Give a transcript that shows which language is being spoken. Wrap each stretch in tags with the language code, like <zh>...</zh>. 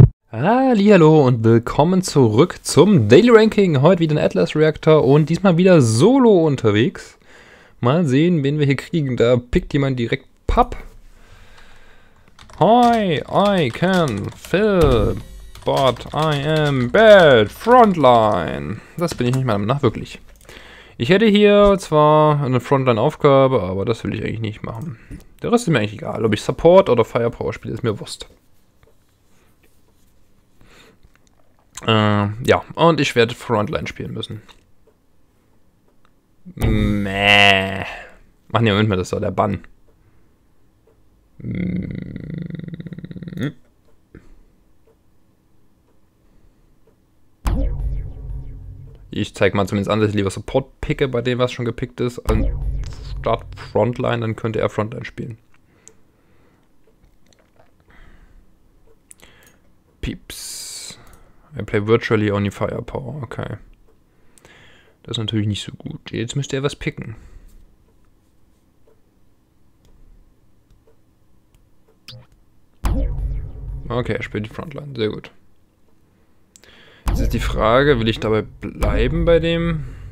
<de>Hallihallo und willkommen zurück zum Daily Ranking. Heute wieder ein Atlas Reactor und diesmal wieder solo unterwegs. Mal sehen, wen wir hier kriegen. Da pickt jemand direkt Papp.</de> <en>Hi, I can fill, but I am bad frontline.</en> <de>Das bin ich nicht meiner Meinung nach wirklich. Ich hätte hier zwar eine Frontline-Aufgabe, aber das will ich eigentlich nicht machen. Der Rest ist mir eigentlich egal. Ob ich Support oder Firepower spiele, ist mir Wurst. Ja, und ich werde Frontline spielen müssen. Mäh. Mach nee, Moment mal, das war der Bann. Ich zeig mal zumindest an, dass ich lieber Support picke bei dem, was schon gepickt ist, anstatt Frontline, dann könnte er Frontline spielen. Pieps.</de> <en>I play virtually only Firepower, okay.</en> <de>Das ist natürlich nicht so gut. Jetzt müsste er was picken. Okay, er spielt die Frontline, sehr gut. Jetzt ist die Frage, will ich dabei bleiben bei dem?</de>